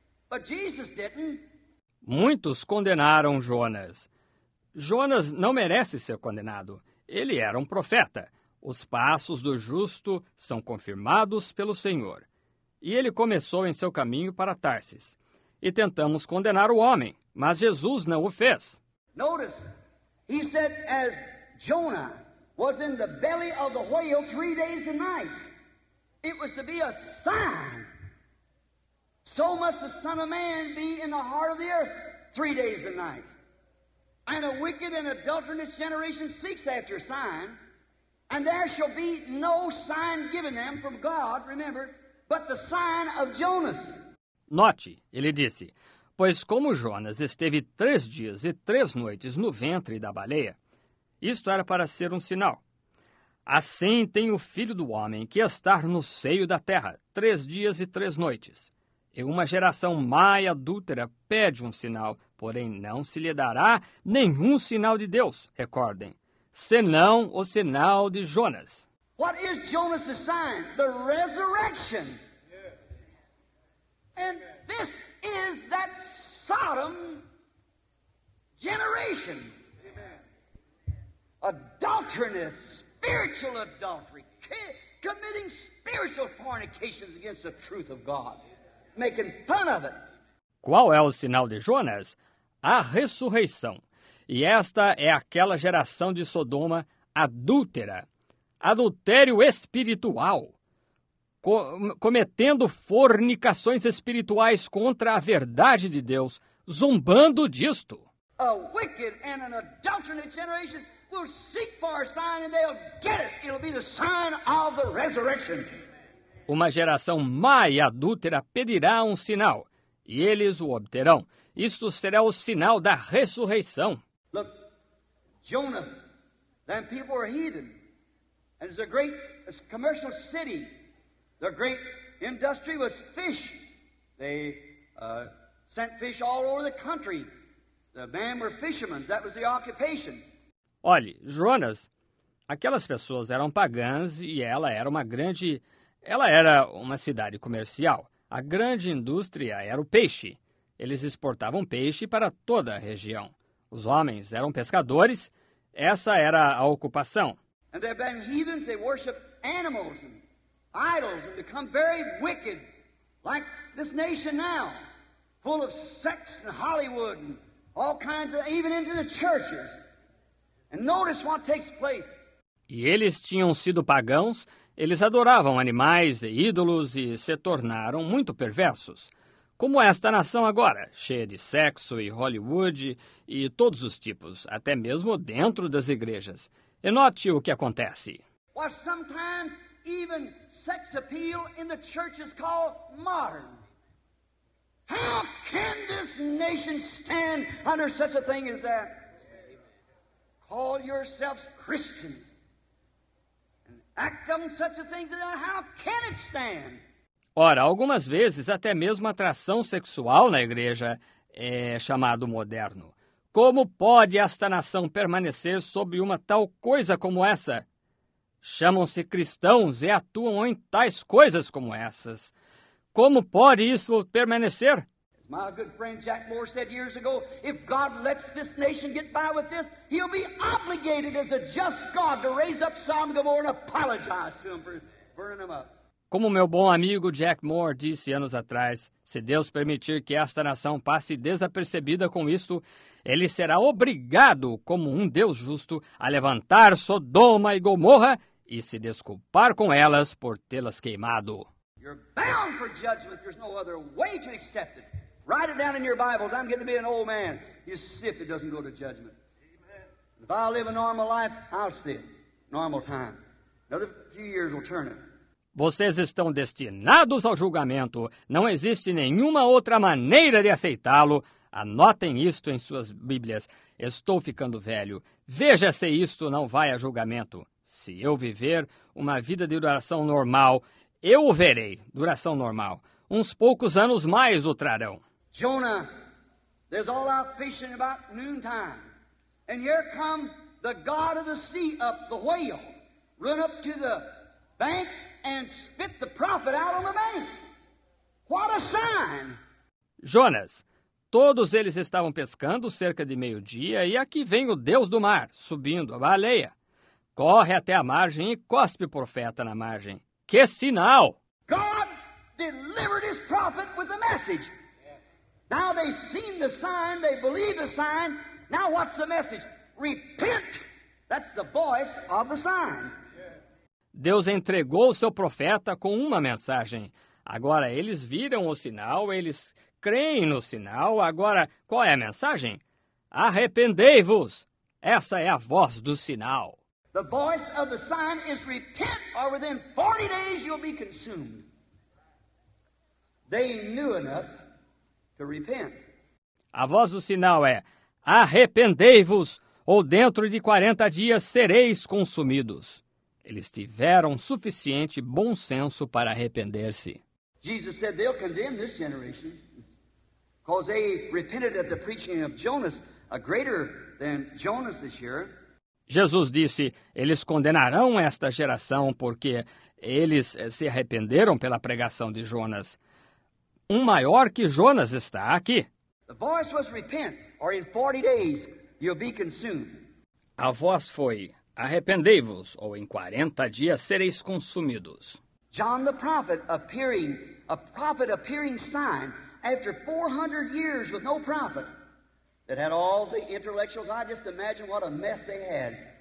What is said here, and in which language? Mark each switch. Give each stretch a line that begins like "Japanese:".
English: But Jesus didn't.
Portuguese: Muitos condenaram Jonas. Jonas não merece ser condenado. Ele era um profeta. Os passos do justo são confirmados pelo Senhor. E ele começou em seu caminho para Tarsis. E tentamos condenar o homem, mas Jesus não o fez.
English: Notice, he said, as Jonah was in the belly of the whale 3 days and nights, it was to be a sign. So must the Son of Man be in the heart of the earth 3 days and nights. And a wicked and adulterous generation seeks after a sign, and there shall be no sign given them from God, remember, but the sign of Jonas.
Portuguese: Note, ele disse, pois como Jonas esteve 3 dias e 3 noites no ventre da baleia, isto era para ser um sinal. Assim tem o Filho do Homem que estar no seio da terra 3 dias e 3 noites. E uma geração má e adúltera pede um sinal, porém não se lhe dará nenhum sinal de Deus, recordem, senão o sinal de Jonas.
English: What is Jonas' sign? The resurrection. And this is that Sodom generation. Adulterous, spiritual adultery, committing spiritual fornications against the truth of God. Making fun of it.
Portuguese: Qual é o sinal de Jonas? A ressurreição. E esta é aquela geração de Sodoma adúltera. Adultério espiritual. Cometendo fornicações espirituais contra a verdade de Deus. Zombando disto.
English: A wicked and an adulterate generation will seek for a sign and they'll get it. It'll be the sign of the resurrection.
Portuguese: Uma geração má e adúltera pedirá um sinal, e eles o obterão. Isto será o sinal da ressurreição.
English: Look, Jonah, them people are heathen. And it's a great commercial city. Their great industry was fish. They sent fish all over the country. The men were fishermen. That was the occupation.
Portuguese: Olhe, Jonas, aquelas pessoas eram pagãs e ela era uma grande... Ela era uma cidade comercial. A grande indústria era o peixe. Eles exportavam peixe para toda a região. Os homens eram pescadores. Essa era a ocupação.
English: And they've been heathens, they worship animals and idols and become very wicked, like this nation now. full of sex and Hollywood and all kinds of, even into the churches. And notice what takes place.
Portuguese: E eles tinham sido pagãos, eles adoravam animais e ídolos e se tornaram muito perversos. Como esta nação agora, cheia de sexo e Hollywood e todos os tipos, até mesmo dentro das igrejas. E note o que acontece.
English: Well, sometimes even sex appeal in the church is called modern. How can this nation stand under such a thing as that? Call yourselves Christians. Act on such a thing as that, how can it stand?
Portuguese: Ora, algumas vezes até mesmo atração sexual na igreja é chamado moderno. Como pode esta nação permanecer sob uma tal coisa como essa? Chamam-se cristãos e atuam em tais coisas como essas. Como pode isso permanecer?
English: My good friend Jack Moore said years ago, if God lets this nation get by with this, he'll be obligated as a just God to raise up Sodom and Gomorrah and apologize to them for burning them up.
Portuguese: Como meu bom amigo Jack Moore disse anos atrás, se Deus permitir que esta nação passe desapercebida com isto, ele será obrigado, como um Deus justo, a levantar Sodoma e Gomorra e se desculpar com elas por tê-las queimado.
English: You're bound for judgment. There's no other way to accept it. Write it down in your Bibles. I'm getting to be an old man. You see if it doesn't go to judgment. If I live a normal life, I'll see it. Normal time. Another few years will turn it.
Portuguese: Vocês estão destinados ao julgamento. Não existe nenhuma outra maneira de aceitá-lo. Anotem isto em suas Bíblias. Estou ficando velho. Veja se isto não vai a julgamento. Se eu viver uma vida de duração normal, eu o verei. Duração normal. Uns poucos anos mais o trarão.
English: Jonah, there's all out fishing about noontime. And here come the god of the sea up, the whale. Run up to the bank and spit the prophet out on the bank. What a sign!
Portuguese: Jonas, todos eles estavam pescando cerca de meio-dia, e aqui vem o Deus do mar, subindo a baleia. Corre até a margem e cospe o profeta na margem. Que sinal!
English: God delivered his prophet with a message. Now they've seen the sign, they believe the sign. Now what's the message? Repent! That's the voice of the sign.
Portuguese: Deus entregou o seu profeta com uma mensagem. Agora eles viram o sinal, eles creem no sinal. Agora, qual é a mensagem? Arrependei-vos! Essa é a voz do sinal.
English: The voice of the sign is repent, or within 40 days you'll be consumed. They knew enough to repent.
Portuguese: A voz do sinal é arrependei-vos, ou dentro de 40 dias sereis consumidos. Eles tiveram suficiente bom senso para arrepender-se.
English: Jesus said they'll condemn this generation because they repented at the preaching of Jonas, a greater than Jonas this year.
Portuguese: Jesus disse, eles condenarão esta geração porque eles se arrependeram pela pregação de Jonas. Um maior que Jonas está aqui.
English: The voice was repent, or in 40 days you'll be consumed.
Portuguese: A voz foi arrependei-vos, ou em 40 dias sereis consumidos.
English: John the prophet appearing, a prophet appearing sign, after 400 years with no prophet, that had all the intellectuals, I just imagine what a mess they had.